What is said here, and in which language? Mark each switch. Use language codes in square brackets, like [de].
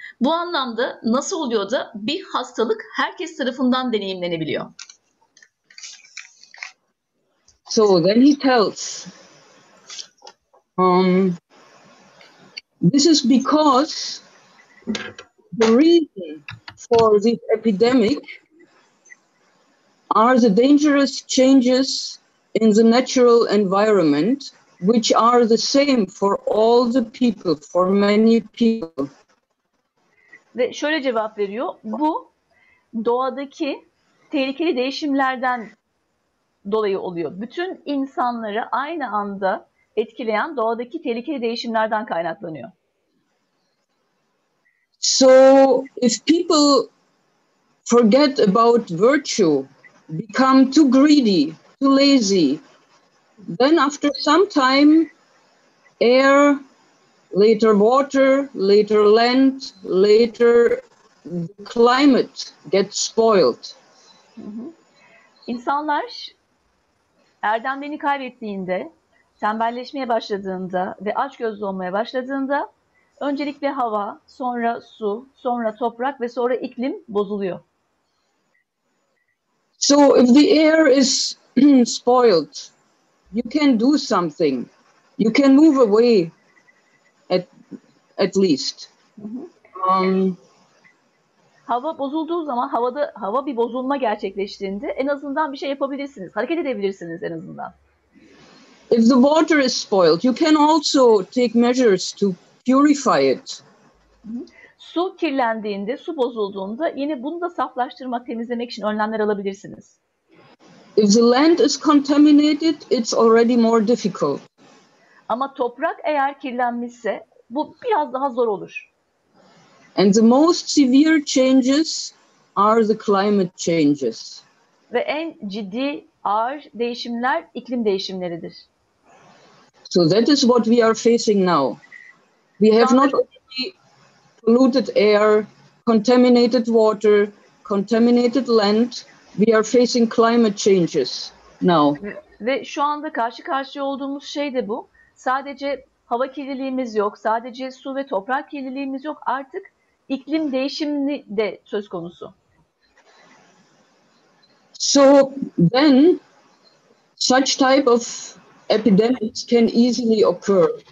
[tr] Bu anlamda nasıl oluyor da bir hastalık herkes tarafından deneyimlenebiliyor? [en] So then he tells, this is because the reason for this epidemic are the dangerous changes in the natural environment, which are the same for all the people, for many people. [tr] Ve şöyle cevap veriyor. Bu doğadaki tehlikeli değişimlerden dolayı oluyor. Bütün insanları aynı anda etkileyen doğadaki tehlikeli değişimlerden kaynaklanıyor. [en] So if people forget about virtue, become too greedy, too lazy, then after some time, air, later water, later land, later the climate gets spoiled. [tr] İnsanlar erdemlerini kaybettiğinde, tembelleşmeye başladığında ve açgözlü olmaya başladığında öncelikle hava, sonra su, sonra toprak ve sonra iklim bozuluyor. [en] So if the air is spoiled, you can do something. You can move away at least. [tr] Hava bozulduğu zaman, hava bir bozulma gerçekleştiğinde en azından bir şey yapabilirsiniz. Hareket edebilirsiniz en azından. [en] If the water is spoiled, you can also take measures to purify it. [tr] Su kirlendiğinde, su bozulduğunda yine bunu da saflaştırmak, temizlemek için önlemler alabilirsiniz. [en] If the land is contaminated, it's already more difficult. [tr] Ama toprak eğer kirlenmişse bu biraz daha zor olur. [en] And the most severe changes are the climate changes. [tr] Ve en ciddi ağır değişimler iklim değişimleridir. [en] So that is what we are facing now. We have not only polluted air, contaminated water, contaminated land, we are facing climate changes now. [tr] Ve şu anda karşı karşıya olduğumuz şey de bu. Sadece hava kirliliğimiz yok, sadece su ve toprak kirliliğimiz yok, artık iklim değişimi de söz konusu. [en] So then such type of epidemics can easily occur.